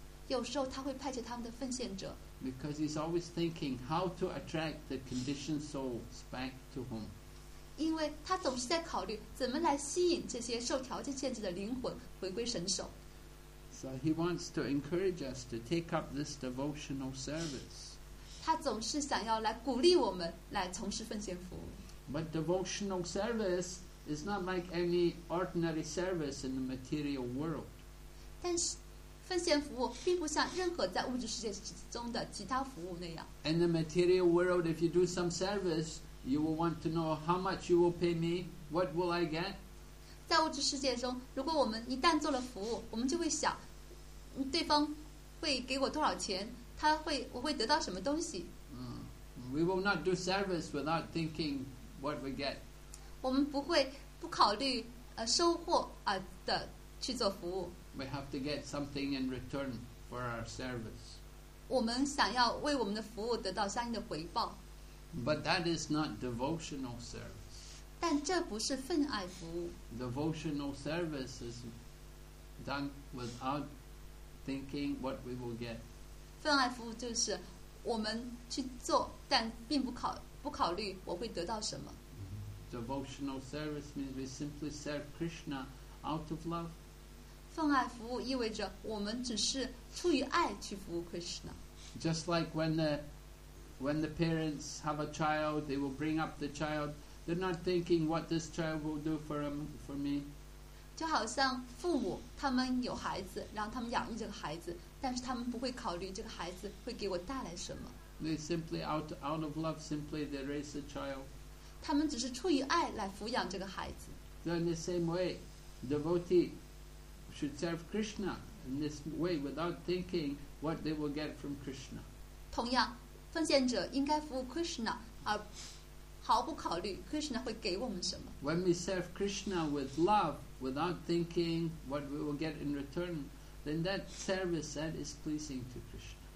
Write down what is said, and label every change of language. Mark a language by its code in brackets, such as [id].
[zh] 有时候他会派遣他们的奉献者。 [en] Because he's always thinking how to attract the conditioned souls back to home. [zh] 因为他总是在考虑怎么来吸引这些受条件限制的灵魂回归神手。 [en] So he wants to encourage us to take up this devotional service. [zh] 他总是想要来鼓励我们来从事奉献服务。 [en] But devotional service. It's not like any ordinary service in the material world. [zh] 但是奉献服务并不像任何在物质世界中的其他服务那样。 [en] In the material world, if you do some service, you will want to know how much you will pay me, what will I get? [zh] 在物质世界中，如果我们一旦做了服务，我们就会想，对方会给我多少钱，我会得到什么东西。 [en] We will not do service without thinking what we get. [zh] 我们不会不考虑收获的去做服务。 [en] We have to get something in return for our service. [zh] 我们想要为我们的服务得到相应的回报。 [en] But that is not devotional service. [zh] 但这不是奉爱服务。 [en] Devotional service is done without thinking what we will get. [zh] 奉爱服务就是我们去做，但并不考虑我会得到什么。 [en] Devotional service means we simply serve Krishna out of love. [zh] 奉爱服务意味着我们只是出于爱去服务 Krishna. [en] Just like when the parents have a child, they will bring up the child. They're not thinking what this child will do for me. [zh] 就好像父母他们有孩子，然后他们养育这个孩子，但是他们不会考虑这个孩子会给我带来什么。 [en] They simply out of love, simply they raise the child. [zh] 他们只是出于爱来抚养这个孩子。 [en] So in the same way, devotee should serve Krishna in this way without thinking what they will get from Krishna. [zh] 同样，奉献者应该服务 Krishna， 而毫不考虑 Krishna 会给我们什么。 [en] When we serve Krishna with love without thinking what we will get in return, then that service that is pleasing to Krishna.